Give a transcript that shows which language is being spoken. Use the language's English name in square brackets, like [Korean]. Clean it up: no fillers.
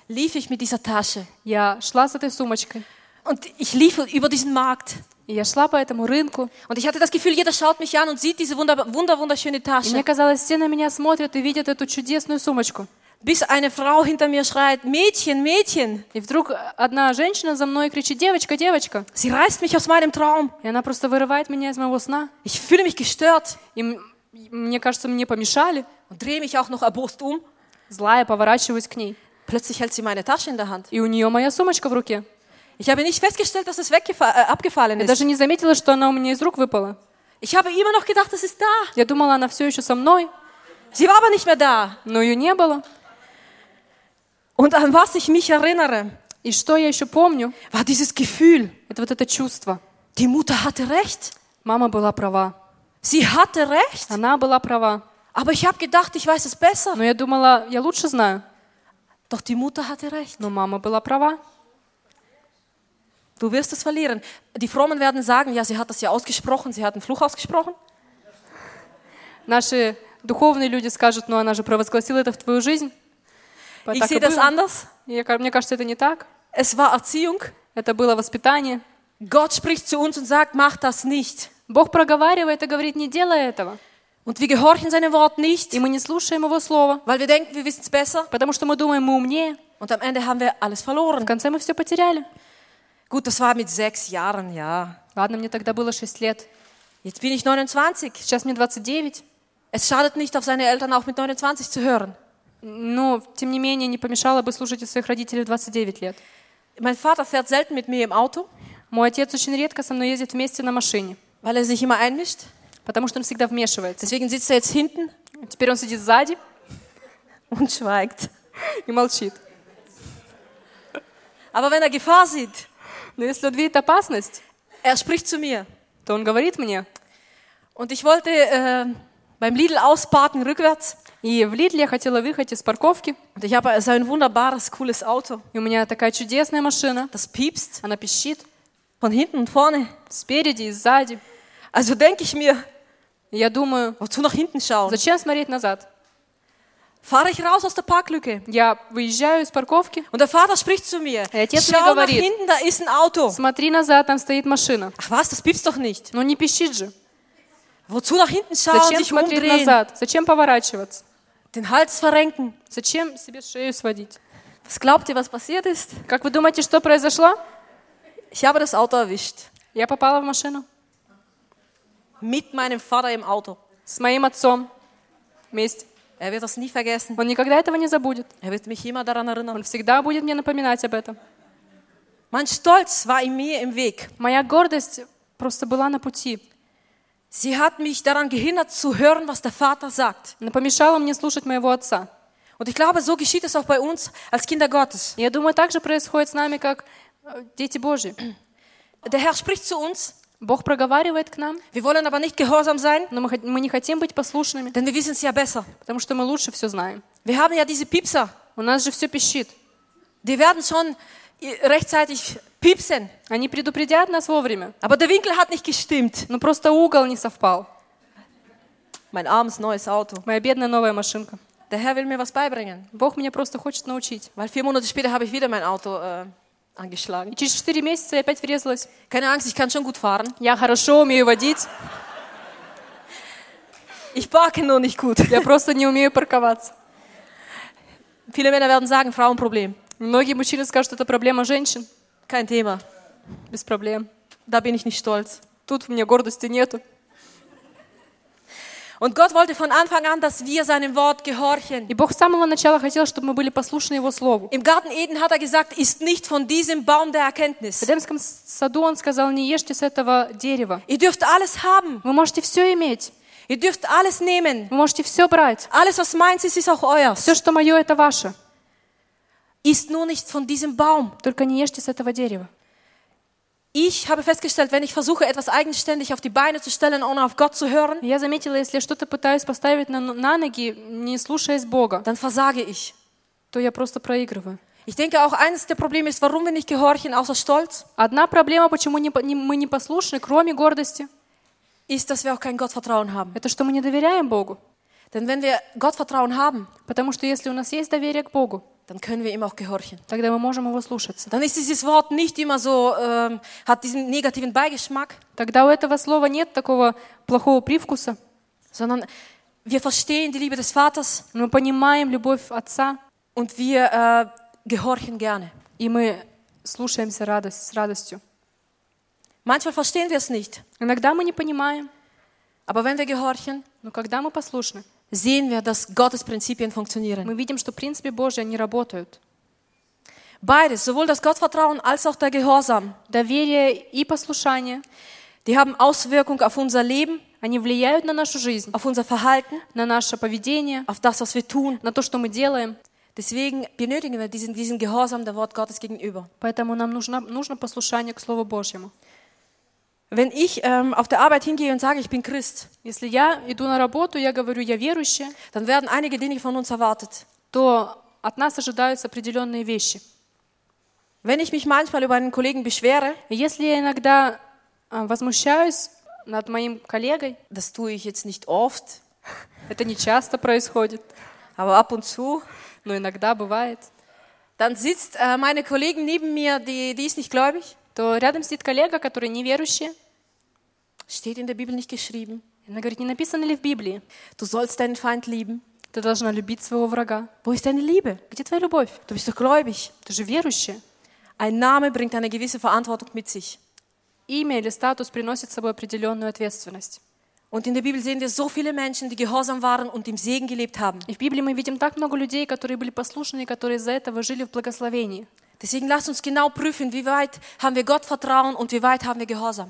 [German] Lief ich mit dieser Tasche. [Russian] Я шла с этой сумочкой. [German] Und ich lief über diesen Markt. [Russian] И я шла по этому рынку. [German] Und ich hatte das Gefühl, jeder schaut mich an und sieht diese wunderschöne Tasche. [Russian] И мне казалось, все на меня смотрят и видят эту чудесную сумочку. [German] Bis eine Frau hinter mir schreit, Mädchen, Mädchen. [Russian] И вдруг одна женщина за мной кричит, девочка, девочка. [German] Sie reißt mich aus meinem Traum. [Russian] И она просто вырывает меня из моего сна. [German] Ich fühle mich gestört. [Russian] И мне кажется, мне помешали. [German] Und drehe mich auch noch erbost um. [Russian] Злая, поворачиваюсь к ней. [German] Plötzlich hält sie meine Tasche in der Hand. [Russian] И у нее моя сумочка в руке. [German] Ich habe nicht festgestellt, dass es abgefallen ist. [Russian] Я даже не заметила, что она у меня из рук выпала. [German] Ich habe immer noch gedacht, es ist da. [Russian] Я думала, она все еще со мной. [German] Sie war aber nicht mehr da. [Russian] Но ее не было. [German] Und an was ich mich erinnere. [Russian] И что я еще помню? [German] War dieses Gefühl. [Russian] Это вот это чувство. [German] Die Mutter hatte recht. [Russian] Мама была права. [German] Sie hatte recht. [Russian] Она была права. [German] Aber ich habe gedacht, ich weiß es besser. [Russian] Но я думала, я лучше знаю. [German] Doch die Mutter hatte recht. [Russian] Но мама была права. [German] Du wirst es verlieren. Die Frommen werden sagen, ja, sie hat das ja ausgesprochen, sie hat einen Fluch ausgesprochen. [Russian] Наши духовные люди скажут, ну она же провозгласила это в твою жизнь. [German] Ich sehe das anders. [Russian] Мне кажется, это не так. [German] Es war Erziehung. [Russian] Это было воспитание. [German] Gott spricht zu uns und sagt, mach das nicht. [Russian] Бог проговаривает и говорит, не делай этого. [German] Und wir gehorchen seinem Wort nicht, [Russian] и мы не слушаем его слова. [German] Weil wir denken, wir wissen's besser. [Russian] Потому что мы думаем, мы умнее. [German] Und am Ende haben wir alles verloren. [Russian] В конце мы все потеряли. [German] Gut, das war mit 6 Jahren, ja. [Russian] Ладно, мне тогда было 6 лет. [German] Jetzt bin ich 29. [Russian] Сейчас мне 29. [German] Es schadet nicht, auf seine Eltern auch mit 29 zu hören. [Russian] Но, тем не менее, не помешало бы слушать о своих родителей в 29 лет. [German] Mein Vater fährt selten mit mir im Auto. [Russian] Мой отец очень редко со мной ездит вместе на машине. [German] Weil er sich immer einmischt. [Russian] Потому что он всегда вмешивается. [German] Deswegen sitzt er jetzt hinten. [Russian] Теперь он сидит сзади. [German] Und schweigt. [Russian] И молчит. [German] Aber wenn er Gefahr sieht. [Russian] Но если он видит опасность. [German] Er spricht zu mir. [Russian] То он говорит мне. [German] Und ich wollte beim Lidl ausparken rückwärts. [Russian] И в Лидле я хотела выехать из парковки. [German] Und ich habe so ein wunderbares, cooles Auto. [Russian] И у меня такая чудесная машина. [German] Das piepst. [Russian] Она пищит. [German] Von hinten und vorne. [Russian] Спереди и сзади. [German] Also denke ich mir, [Russian] я думаю, [German] wozu nach hinten schauen? [Russian] Зачем смотреть назад? [German] Fahre ich raus aus der Parklücke. [Russian] Я выезжаю из парковки. [German] Und der Vater spricht zu mir. [Russian] И отец [German] Schau [Russian] мне говорит, [German] nach hinten, da ist ein Auto. [Russian] Смотри назад, там стоит машина. [German] Ach was, das piepst doch nicht. [Russian] Но не пищит же. [German] Wozu nach hinten schauen? [Russian] Зачем [German] sich [Russian] смотреть [German] umdrehen? [Russian] Назад? Зачем поворачиваться? [German] Den Hals verrenken. [Russian] Зачем себе шею сводить? [German] Was glaubt ihr, was passiert ist? [Russian] Как вы думаете, что произошло? [German] Ich habe das Auto erwischt. [Russian] Я попала в машину. [German] Mit meinem Vater im Auto. [Russian] С моим отцом. Вместе. [German] Er wird das nie vergessen. [Russian] Он никогда этого не забудет. [German] Er wird mich immer daran erinnern. [Russian] Он всегда будет мне напоминать об этом. [German] Mein Stolz war in mir im Weg. [Russian] Моя гордость просто была на пути. [German] Sie hat mich daran gehindert zu hören, was der Vater sagt. [Russian] Она помешала мне слушать моего отца. [German] Und ich glaube, so geschieht es auch bei uns als Kinder Gottes. [Russian] Я думаю, так же происходит с нами, как дети Божьи. [German] Der Herr spricht zu uns. [Russian] Бог проговаривает к нам. [German] Wir wollen aber nicht gehorsam sein, [Russian] но мы не хотим быть послушными. [German] Denn wir wissen's ja besser. [Russian] Потому что мы лучше все знаем. [German] Wir haben ja diese Piepser. [Russian] У нас же все пищит. [German] Die werden schon rechtzeitig piepsen. [Russian] Они предупредят нас вовремя. [German] Aber der Winkel hat nicht gestimmt. [Russian] Но просто угол не совпал. [German] Mein armes neues Auto. [Russian] Моя бедная новая машинка. [German] Der Herr will mir was beibringen. [Russian] Бог меня просто хочет научить. [German] Weil 4 Monate später habe ich wieder mein Auto angeschlagen. [Russian] И через 4 месяца я опять врезалась. [German] Keine Angst, ich kann schon gut fahren. [Russian] Я хорошо умею водить. [German] Ich parke nur nicht gut. [Russian] Я просто не умею парковаться. [German] Viele Männer werden sagen, Frauenproblem. [Russian] Многие мужчины скажут, что это проблема женщин. [German] Kein Thema. [Russian] Без проблем. [German] Da bin ich nicht stolz. [Russian] Тут у меня гордости нету. [German] Und Gott wollte von Anfang an, dass wir seinem Wort gehorchen. [Russian] И Бог с самого начала хотел, чтобы мы были послушны Его слову. [German] Im Garten Eden hat er gesagt, isst nicht von diesem Baum der Erkenntnis. [Russian] В Эдемском саду он сказал, не ешьте с этого дерева. [German] Ihr dürft alles haben. [Russian] Вы можете все иметь. [German] Ihr dürft alles nehmen. [Russian] Вы можете все брать. [German] Alles, was meins ist, ist auch euers. [Russian] Все, что мое, это ваше. [German] Isst nur nicht von diesem Baum. [Russian] Только не ешьте с этого дерева. [German] Ich habe festgestellt, wenn ich versuche, etwas eigenständig auf die Beine zu stellen, ohne auf Gott zu hören, [Russian] я заметила, если я что-то пытаюсь поставить на ноги, не слушаясь Бога, [German] dann versage ich. [Russian] То я просто проигрываю. [German] Ich denke auch, eines der Probleme ist, warum wir nicht gehorchen, außer Stolz. [Russian] Одна проблема, почему мы не послушны, кроме гордости, [German] ist, dass wir auch kein Gottvertrauen haben. [Russian] Это что мы не доверяем Богу. [German] Denn wenn wir Gottvertrauen haben, [Russian] потому что если у нас есть доверие к Богу, [German] dann können wir ihm auch gehorchen. [Russian] Тогда мы можем его слушаться. [German] Dann ist dieses Wort nicht immer so, hat diesen negativen Beigeschmack. [Russian] Тогда у этого слова нет такого плохого привкуса. [German] Sondern wir verstehen die Liebe des Vaters. [Russian] Мы понимаем любовь отца. [German] Und wir gehorchen gerne. [Russian] И мы слушаемся с радостью. [German] Manchmal verstehen wir es nicht. [Russian] Иногда мы не понимаем. [German] Aber wenn wir gehorchen, [Russian] но когда мы послушны, [German] sehen wir, dass Gottes Prinzipien funktionieren. [Russian] Мы видим, что принципы Божьи они работают. [German] Beides, sowohl das Gottvertrauen als auch der Gehorsam. [Russian] Доверие и послушание. [German] Die haben Auswirkung auf unser Leben. [Russian] Они влияют на нашу жизнь. [German] Auf unser Verhalten. [Russian] На наше поведение. [German] Auf das, was wir tun. [Russian] На то, что мы делаем. [German] Deswegen benötigen wir diesen Gehorsam der Wort Gottes gegenüber. [Russian] Поэтому нам нужно послушание к слову Божьему. [German] Wenn ich auf der Arbeit hingehe und sage, ich bin Christ, [Russian] если я иду на работу, я говорю, я верующий, [German] dann werden einige Dinge von uns erwartet. [Russian] То от нас ожидаются определенные вещи. [German] Wenn ich mich manchmal über einen Kollegen beschwere, [Russian] если я иногда возмущаюсь над моим коллегой, [German] das tue ich jetzt nicht oft. [Russian] Это не часто происходит. [German] Aber ab und zu, [Russian] но иногда бывает. [German] Dann sitzt meine Kollegin neben mir, die ist nicht gläubig. [Russian] То рядом сидит коллега, который неверующий. [German] Steht in der Bibel nicht geschrieben. [Russian] Она говорит, не написано ли в Библии? [German] Du sollst deinen Feind lieben. [Russian] Ты должна любить своего врага. [German] Wo ist deine Liebe? [Russian] Где твоя любовь? [German] Du bist doch gläubig. [Russian] Ты же верующий. [German] Ein Name bringt eine gewisse Verantwortung mit sich. [Russian] Имя или статус приносит с собой определенную ответственность. [German] Und in der Bibel sehen wir so viele Menschen, die gehorsam waren und im Segen gelebt haben. [Russian] В Библии мы видим так много людей, которые были послушны, которые из-за этого жили в благословении. [German] Deswegen lasst uns genau prüfen, wie weit haben wir Gott vertrauen und wie weit haben wir gehorsam.